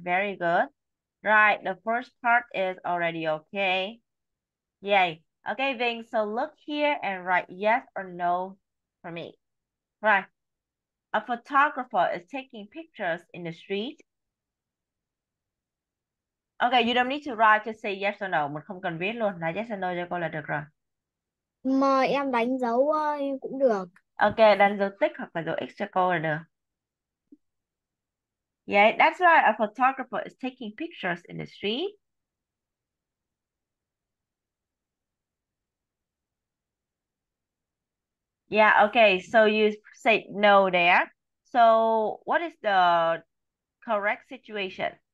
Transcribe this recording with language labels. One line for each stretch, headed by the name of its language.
English: Very good. Right, the first part is already okay. Yay. Okay, Ving, so look here and write yes or no for me. Right. A photographer is taking pictures in the street. Okay, you don't need to write, just say yes or no.
Vietnamese: Mình không cần viết luôn, là
English: yes or no
Vietnamese: cho cô là được rồi. Mời em đánh dấu cũng được. Ok, đánh dấu tích hoặc là dấu x cho cô là được.
English: Yeah, that's right. A photographer is taking pictures in the street. Yeah, okay. So you say no there. So what is the correct situation?